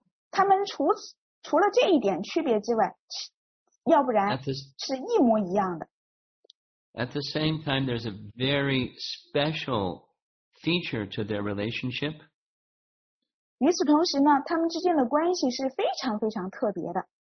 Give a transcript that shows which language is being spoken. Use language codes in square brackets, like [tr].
[zh] 他们除了这一点区别之外要不然是一模一样的。 [en] At the same time, there's a very special feature to their relationship. [zh] 与此同时呢，他们之间的关系是非常非常特别的。